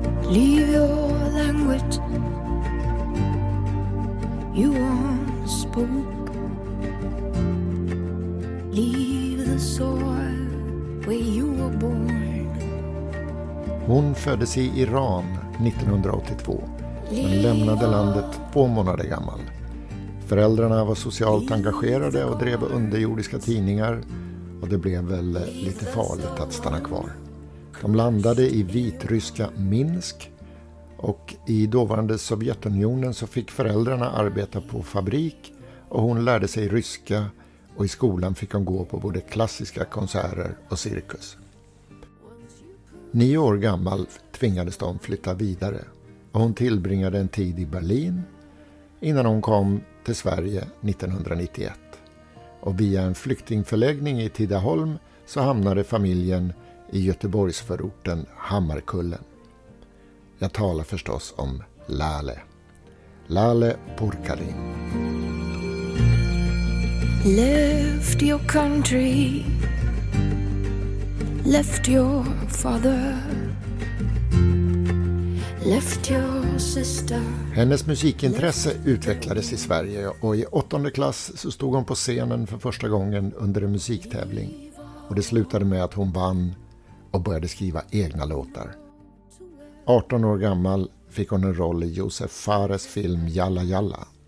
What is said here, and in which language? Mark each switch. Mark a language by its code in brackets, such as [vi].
[en] Leave your language you once spoke, leave the soil where you were born. [sv] Hon föddes i Iran 1982, men lämnade landet 2 månader gammal. Föräldrarna var socialt engagerade och drev underjordiska tidningar, och det blev väl lite farligt att stanna kvar. De landade i vitryska Minsk, och i dåvarande Sovjetunionen så fick föräldrarna arbeta på fabrik, och hon lärde sig ryska, och i skolan fick hon gå på både klassiska konserter och cirkus. 9 år gammal tvingades de flytta vidare, och hon tillbringade en tid i Berlin innan hon kom till Sverige 1991. Och via en flyktingförläggning i Tidaholm så hamnade familjen i Göteborgsförorten Hammarkullen. Jag talar förstås om Lale. Lale Purkalin. [en] Left your country, left your father, left your sister. [sv] Hennes musikintresse utvecklades i Sverige, och i 8:e klass så stod hon på scenen för första gången under en musiktävling. Och det slutade med att hon vann och började skriva egna låtar. 18 år gammal fick hon en roll i Josef Fares film Jalla Jalla.